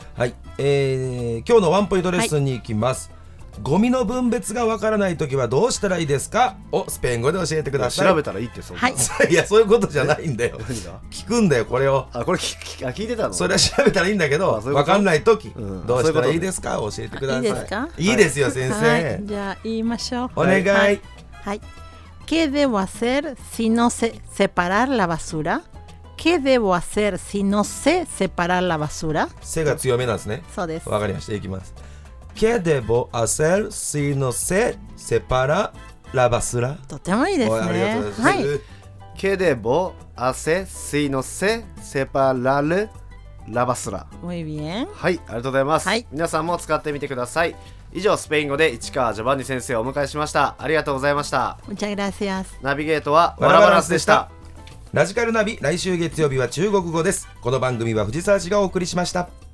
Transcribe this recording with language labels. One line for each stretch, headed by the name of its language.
Japanese: はい、今日のワンポイントレッスンに行きます。はい、ゴミの分別がわからないときはどうしたらいいですかをスペイン語で教えてください。調べたらいいって、そうか、はい、いやそういうことじゃないんだよ。聞くんだよこれを。あ、これ聞いてたの。それは調べたらいいんだけど、わかんないとき、うん、どうしたらいいですか、うん、教えてください。いいですか。いいですよ、はい、先生、はい、じゃあ言いましょう。お願い、はい、はい。
Spanish: ¿Qué debo hacer si no sé separar la basura? ¿Qué debo hacer si no sé separar la basura?
Japanese: せが強めなんですね。そうです、わかりました。いきます。
Spanish: ¿Qué debo hacer si no sé separar la basura?
Japanese: とてもいいですね。ありがとうございます。はい。
Spanish: ¿Qué debo hacer si no sé separar la basura? Muy bien.
Japanese: はい、ありがとうございます。はい。皆さんも使ってみてください。以上、スペイン語で市川ジョバンニ先生をお迎えしました。ありがとうございました。
Spanish: Muchas gracias.
Japanese: ナビゲートはワラバランスでした。ラジカルナビ、来週月曜日は中国語です。この番組は藤沢市がお送りしました。